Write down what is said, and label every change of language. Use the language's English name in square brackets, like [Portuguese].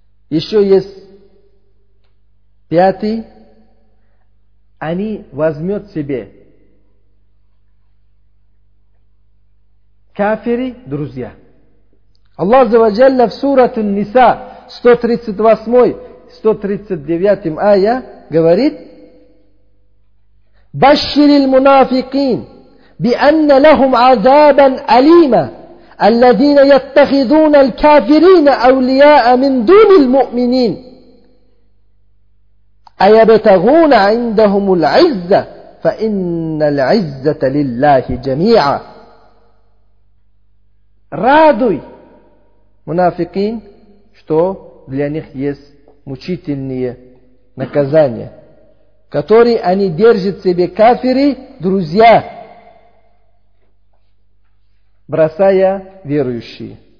[Russian] Еще есть пятый. Они возьмут себе кафири, друзья. Аллах Азза ва Джалля в сурату Ниса 138-139 ая говорит: [Arabic] «Баширил мунафикин بأن لهم عذابا أليما الذين يتخذون الكافرين أولياء من دون المؤمنين أيبتغون عندهم العزة فإن العزة لله جميعا [Russian] Радуй мунафикин, что для них есть мучительные наказания, которые они держат себе кафиры, друзья, бросая верующие.